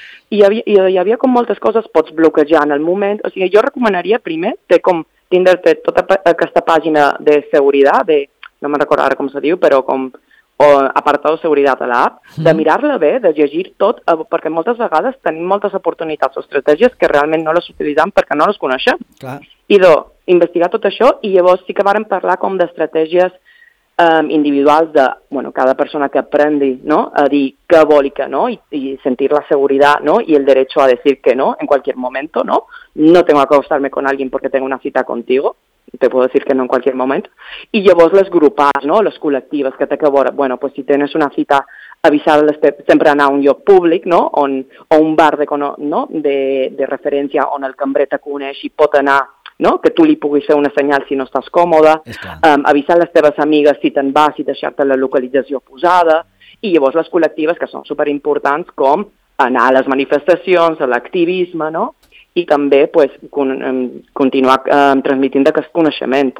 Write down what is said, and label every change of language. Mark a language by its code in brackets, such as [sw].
[ca] Hi havia com moltes coses, pots bloquejar en el moment. O sigui, jo recomanaria primer, té com Tinder té tota aquesta pàgina de seguretat, de, no me'n recordo ara com se diu, però com o apartat de seguretat a l'app, de mirar-la bé, de llegir tot, perquè moltes vegades tenim moltes oportunitats o estratègies que realment no les utilitzem perquè no les coneixem. Idò, investigar tot això i llavors sí que vàrem parlar com d'estratègies individuals de, bueno, cada persona que aprendi, no?, a dir què vol i què no, i sentir la seguretat, no?, i el dret a dir que no en qualsevol moment, no? [es] No tengo que acostarme con alguien porque tengo una cita contigo, te puedo decir que no en cualquier momento. [ca] Y llavors les grupals, no?, les col·lectives, que té que veure, bueno, [es] pues si tienes una cita, [ca] avisar-les sempre anar a un lloc públic, no?, o un bar de referència on el cambrer te coneix i pot anar, no?, que tu li puguis fer una senyal si no estàs còmode, avisar les teves amigues si te'n vas i deixar-te la localització posada, i llavors les col·lectives, que són superimportants, com anar a les manifestacions, a l'activisme, no?, i també pues, continuar transmitint aquest coneixement.